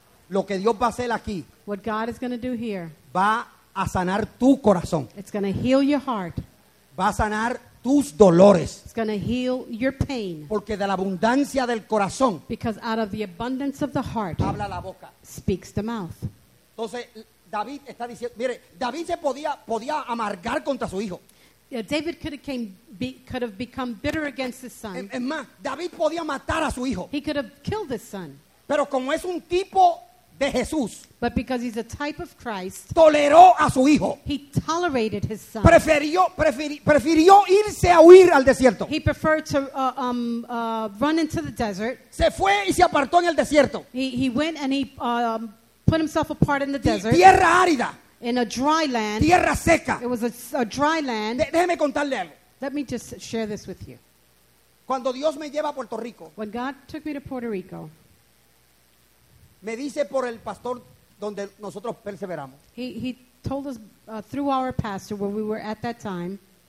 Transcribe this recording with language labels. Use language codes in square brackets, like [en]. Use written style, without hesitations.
[es] Lo que Dios va a hacer aquí, [en] what God is going to do here, [es] va a sanar tu corazón. [en] It's going to heal your heart. [es] Va a sanar tus dolores. [en] It's going to heal your pain. [es] Porque de la abundancia del corazón, [en] because out of the abundance of the heart, [es] habla la boca, [en] speaks the mouth. [es] Entonces, David está diciendo, mire, David se podía amargar contra su hijo. [en] Yeah, David could have become bitter against his son. [es] Es más, David podía matar a su hijo. [en] He could have killed his son. [es] Pero como es un tipo de Jesús, [en] but because he's a type of Christ, [es] toleró a su hijo. [en] He tolerated his son. [es] Prefirió irse a huir al desierto. [en] He preferred to run into the desert. [es] Se fue y se apartó en el desierto. [en] He went and he put himself apart in the desert. [es] Tierra árida. [en] In a dry land. [es] Tierra seca. [en] It was a dry land. [es] Déjeme contarle algo. [en] Let me just share this with you. [es] Cuando Dios me lleva a Puerto Rico, [en] when God took me to Puerto Rico, [es] me dice por el pastor donde nosotros perseveramos. [en] He told us through our pastor where we were at that time.